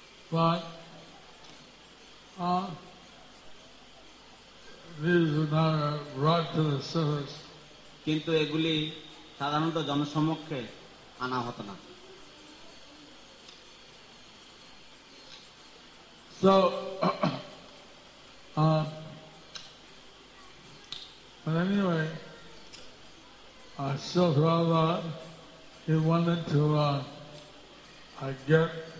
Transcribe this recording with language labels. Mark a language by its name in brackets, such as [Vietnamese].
[English] But these were not brought to the surface. [Bangla] কিন্তু এগুলি সাধারণত জনসমক্ষে আনা হতো না। [English] So but anyway, Srila Prabhupada, he wanted to get